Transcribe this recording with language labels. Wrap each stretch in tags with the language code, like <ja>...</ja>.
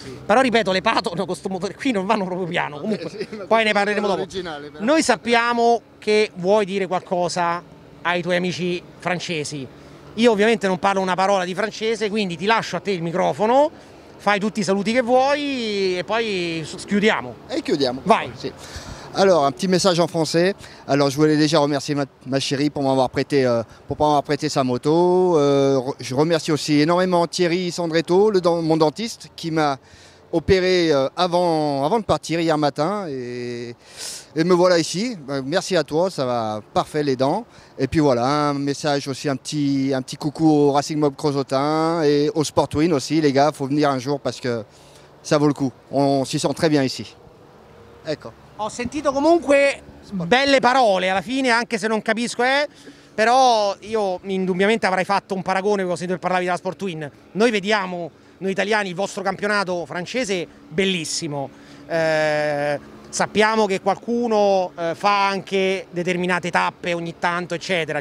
<it>Però ripeto, le patono con questo motore qui non vanno proprio piano. Comunque, poi ne parleremo dopo. Noi sappiamo che vuoi dire qualcosa ai tuoi amici francesi. Io ovviamente non parlo una parola di francese, quindi ti lascio a te il microfono. Fai tutti i saluti che vuoi e poi chiudiamo. E chiudiamo. Vai. Sì. Allora,</it> <fr>un petit message en français. Alors, je voulais déjà remercier ma chérie pour m'avoir prêté sa moto. Je remercie aussi énormément Thierry Sandretto, mon dentiste, qui m'a opéré avant de partir hier matin. Et me voilà ici. Merci à toi, ça va parfait les dents. Et puis voilà, un message aussi, un petit coucou au Racing Mob Crozotin et au Sport Twin aussi. Les gars, faut venir un jour parce que ça vaut le coup. On s'y sent très bien ici.</fr> <it>Ecco. Ho sentito comunque belle parole alla fine, anche se non capisco, però io indubbiamente avrei fatto un paragone, perché ho sentito che parlavi della Sport Twin. Noi vediamo noi italiani, il vostro campionato francese bellissimo. Sappiamo che qualcuno fa anche determinate tappe ogni tanto, eccetera.</it>